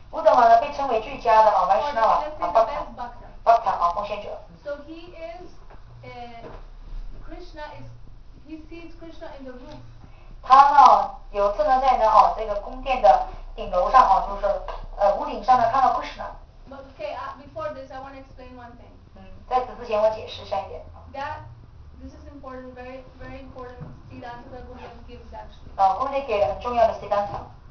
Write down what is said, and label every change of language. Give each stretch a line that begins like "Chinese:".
Chinese: Uddhava 呢被称为最佳的 Vaishnava,
Sanskrit: Bhakta,
Chinese: 奉献者。
English: So he is, Krishna is, he sees Krishna in the roof.
Chinese: 他呢有次呢在呢这个宫殿的顶楼上就是屋顶上呢看到 Krishna.
English: But okay, before this, I want to explain one thing.
Chinese: 在此之前我解释一下一点。
English: This is important, very, very important. Siddhanta that Guru gives actually.
Chinese: 老公那给很重要的 Siddhanta.